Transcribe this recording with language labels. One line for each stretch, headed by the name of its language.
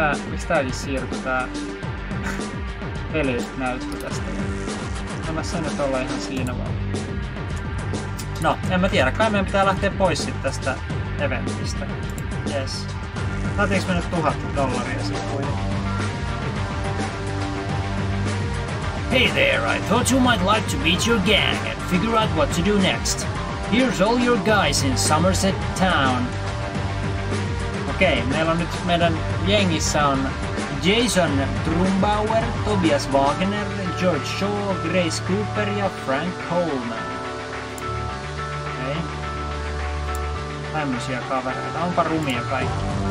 Finnish: Miks tää ei siirry tää... Peli näyttö tästä. Anna sen nyt olla ihan siinä vaan. No, en mä tiedä. Kai meidän pitää lähteä pois sit tästä eventistä. Yes. Saatiinko me nyt $1,000 sit kuitenkin?
English: Hey there, I thought you might like to meet your gang and figure out what to do next. Here's all your guys in Somerset Town.
Finnish: Okei, okay, meillä on nyt meidän jengissä on Jason Trumbauer, Tobias Wagner, George Shaw, Grace Cooper ja Frank Coleman. Okei. Okay. Tämmösiä kavereita. Onpa rumia kaikki.